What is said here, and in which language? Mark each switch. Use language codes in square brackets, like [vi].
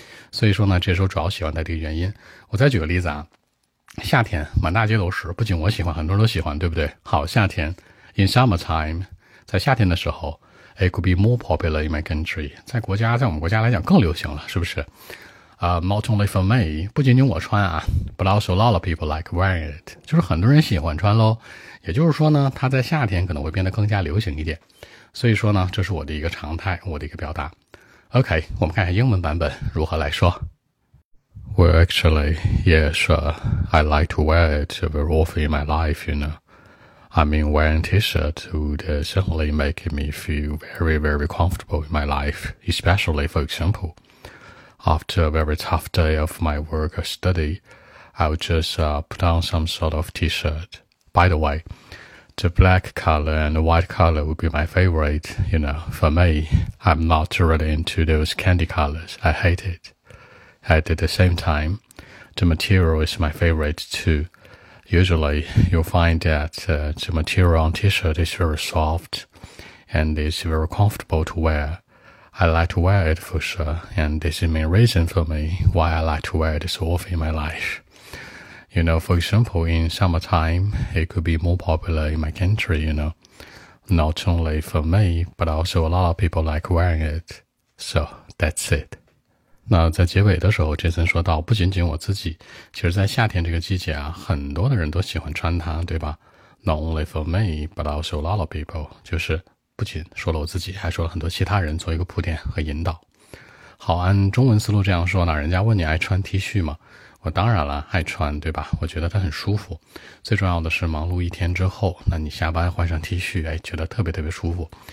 [zh] 所以说呢，这时候主要喜欢它的原因。我再举个例子啊，夏天满大街都是，不仅我喜欢，很多人都喜欢，对不对？好，夏天 [en] in summertime， [zh] 在夏天的时候， [en] It could be more popular in my country. [zh] 在我们国家来讲更流行了，是不是？ [en] Not only for me, [zh] 不仅仅我穿啊， [en] but also a lot of people like wearing it. [zh] 就是很多人喜欢穿咯。也就是说呢，它在夏天可能会变得更加流行一点。所以说呢，这是我的一个常态，我的一个表达。 OK, 我们看一下英文版本如何来说。 [en] Well, actually, yes, I like to wear it very often in my life, you know. I mean, wearing T-shirt would certainly make me feel very, very comfortable in my life, especially, for example, after a very tough day of my work or study, I would just put on some sort of T-shirt. By the way, the black color and the white color would be my favorite, you know, for me. I'm not really into those candy colors. I hate it. And at the same time, the material is my favorite, too. Usually, you'll find that the material on T-shirt is very soft and is very comfortable to wear. I like to wear it for sure, and this is the main reason for me why I like to wear it so often in my life. You know, for example, in summertime, it could be more popular in my country, you know. Not only for me, but also a lot of people like wearing it. So, that's it. [zh] 那在结尾的时候，杰森说到，不仅仅我自己，其实在夏天这个季节啊，很多的人都喜欢穿它，对吧？ [en] Not only for me, but also a lot of people. [zh] 就是不仅说了我自己，还说了很多其他人，做一个铺垫和引导。好，按中文思路这样说呢，人家问你爱穿 T 恤吗？我当然了，爱穿，对吧？我觉得它很舒服。最重要的是忙碌一天之后，那你下班换上 T 恤，哎，觉得特别特别舒服。